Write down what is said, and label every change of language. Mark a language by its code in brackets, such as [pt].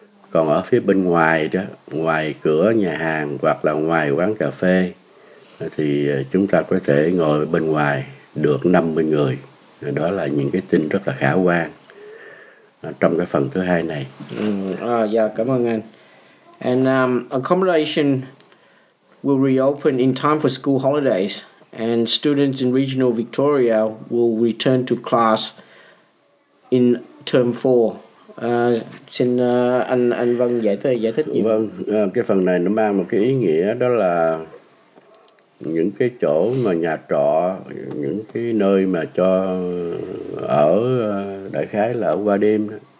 [vi] Còn ở phía bên ngoài đó, ngoài cửa nhà hàng hoặc là ngoài quán cà phê thì chúng ta có thể ngồi bên ngoài được 50 người. Đó là những cái tin rất là khả quan trong cái phần thứ hai này. Cảm ơn anh. [en] And accommodation will reopen in time for school holidays, and students in regional Victoria will return to class in term 4. [vi] Xin anh Vân giải thích nhiều. Vâng, cái phần này nó mang một cái ý nghĩa, đó là những cái chỗ mà nhà trọ, những cái nơi mà cho ở đại khái là ở qua đêm đó,